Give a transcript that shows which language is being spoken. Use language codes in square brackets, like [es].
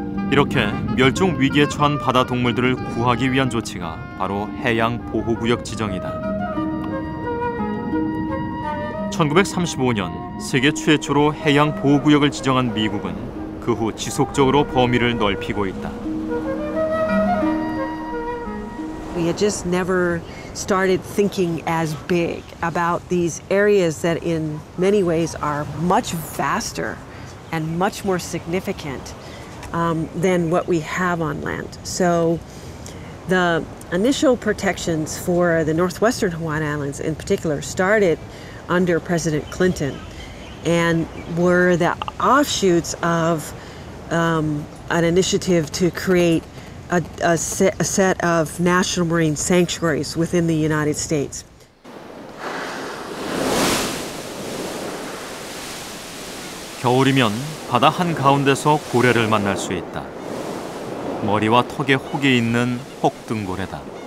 [ko] 이렇게 멸종 위기에 처한 바다 동물들을 구하기 위한 조치가 바로 해양 보호구역 지정이다. 1935년 세계 최초로 해양 보호구역을 지정한 미국은 그 후 지속적으로 범위를 넓히고 있다. [en] We had just never started thinking as big about these areas that in many ways are much vaster and much more significant than what we have on land. So the initial protections for the northwestern Hawaiian Islands in particular started under President Clinton and were the offshoots of an initiative to create a set of national marine sanctuaries within the United States. [ko] 겨울이면 바다 한가운데서 고래를 만날 수 있다. 머리와 턱에 혹이 있는 혹등고래다.